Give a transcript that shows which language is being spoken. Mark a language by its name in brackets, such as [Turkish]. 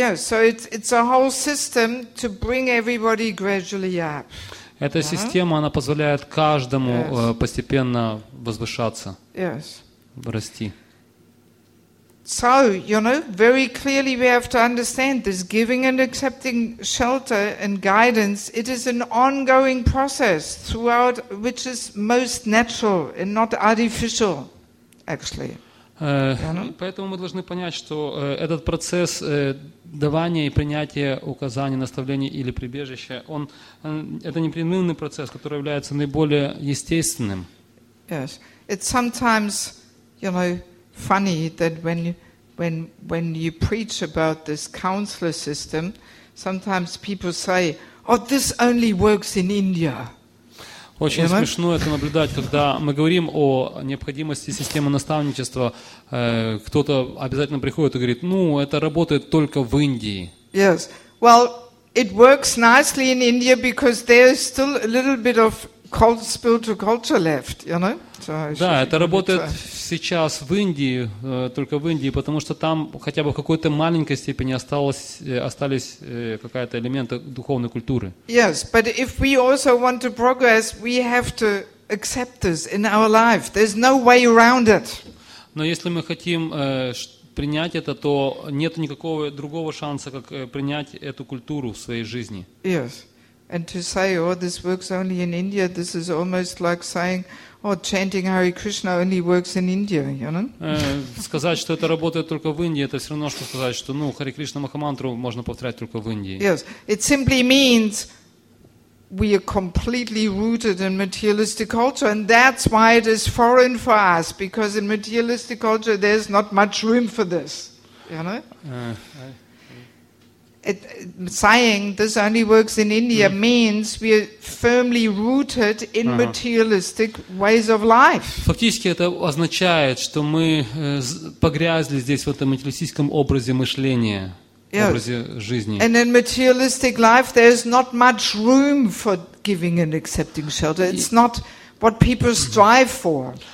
[English] Yeah, so it's a whole system to bring everybody gradually up. [Russian] Эта система, она позволяет каждому постепенно возвышаться. [English] Yes. [Russian] Расти. [English] So, you know, very clearly we have to understand this giving and accepting shelter and guidance, it is an ongoing process throughout which is most natural and not artificial, actually. [Russian] Поэтому мы должны понять, что этот процесс давания и принятия указаний, наставлений или прибежища, он это непрерывный процесс, который является наиболее естественным. [English] Yes, it's sometimes, you know, funny that when you preach about this counselor system, sometimes people say, "Oh, this only works in India." [Russian] Очень смешно это наблюдать, когда мы говорим о необходимости системы наставничества. Кто-то обязательно приходит и говорит, ну, это работает только в Индии. [English] Yes. Well, it works nicely in India because there is still a little bit of cult, spiritual culture left, you know? [Russian] Да, это работает сейчас в Индии, только в Индии, потому что там хотя бы в какой-то маленькой степени остались какие-то элементы духовной культуры. [English] Yes, but if we also want to progress, we have to accept this in our life. There's no way around it. [Russian] Но если мы хотим принять это, то нет никакого другого шанса, как принять эту культуру в своей жизни. [English] Yes. And to say, oh, this works only in India, this is almost like saying, oh, chanting Hare Krishna only works in India, you know? [Russian] Сказать, что это работает только в Индии, это все равно, что сказать, что, ну, Hare Krishna Махамантру можно повторять только в Индии. [English] Yes. It simply means we are completely rooted in materialistic culture, and that's why it is foreign for us, because in materialistic culture there's not much room for this, you know? Saying this only works in India means we are firmly rooted in materialistic ways of life. [Russian] Фактически это означает, что мы погрязли здесь в этом материалистическом образе мышления, образе жизни. [English] And in materialistic life, there is not much room for giving and accepting shelter. It's not what people strive for.